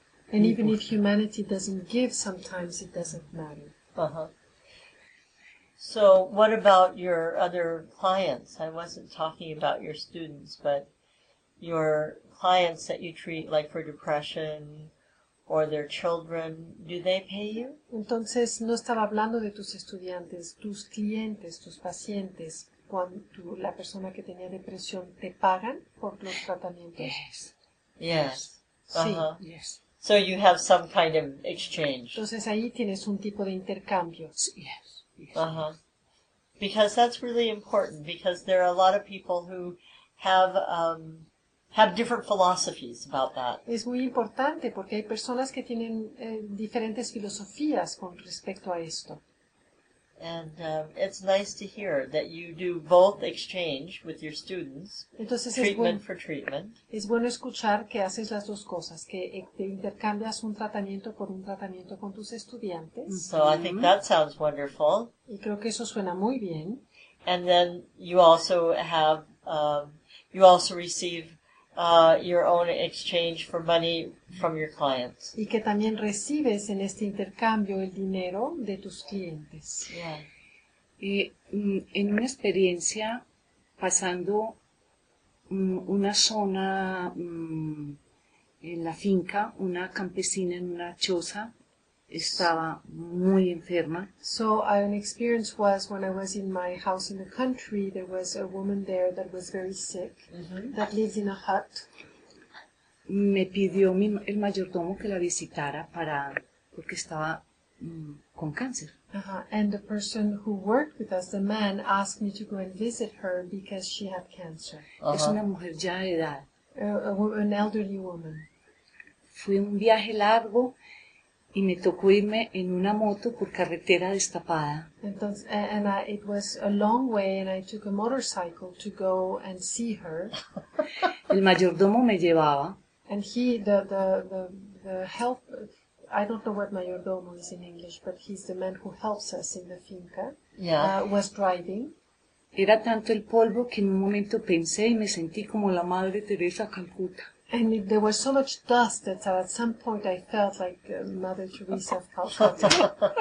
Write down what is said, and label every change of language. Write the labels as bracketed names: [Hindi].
[English] And no even importa. If humanity doesn't give, sometimes it doesn't matter. So what about your other clients? I wasn't talking about your students, but your clients that you treat, like for depression, or their children, do they pay you? [Spanish] Entonces, no estaba hablando de tus estudiantes, tus clientes, tus pacientes, cuando la persona que tenía depresión, ¿te pagan por los tratamientos? [English] Yes. Yes. Yes. Uh-huh. Yes. So you have some kind of exchange. [Spanish] Entonces, ahí tienes un tipo de intercambio. [English] Yes. Yes. Uh-huh. Because that's really important, because there are a lot of people who have different philosophies about that. [Spanish] Es muy importante porque hay personas que tienen diferentes filosofías con respecto a esto. [English] And it's nice to hear that you do both exchange with your students. [Spanish] Entonces, [English] treatment for treatment. [Spanish] Es bueno escuchar que haces las dos cosas, que te intercambias un tratamiento por un tratamiento con tus estudiantes. [English] So mm-hmm. I think that sounds wonderful. [Spanish] Y creo que eso suena muy bien. [English] And then you also have you also receive your own exchange for money from your clients. [Spanish] Y que también recibes en este intercambio el dinero de tus clientes. [English] Yeah. [Spanish] Y en una experiencia pasando una zona en la finca, una campesina en una choza estaba muy enferma. [English] So an experience was when I was in my house in the country, there was a woman there that was very sick, mm-hmm. that lives in a hut. [Spanish] Me pidió el mayordomo que la visitara porque estaba con cáncer. Uh-huh. [English] And the person who worked with us, the man, asked me to go and visit her because she had cancer. [Spanish] Uh-huh. Es una mujer ya de edad. [English] An elderly woman. [Spanish] Fue un viaje largo. Y me tocó irme en una moto por carretera destapada. [English] Entonces, and I, it was a long way, and I took a motorcycle to go and see her. [Spanish] El mayordomo me llevaba. [English] And he, the help, I don't know what mayordomo is in English, but he's the man who helps us in the finca, yeah. Was driving. [Spanish] Era tanto el polvo que en un momento pensé y me sentí como la Madre Teresa Calcuta. [English] And there was so much dust that at some point I felt like Mother Teresa of Calcutta.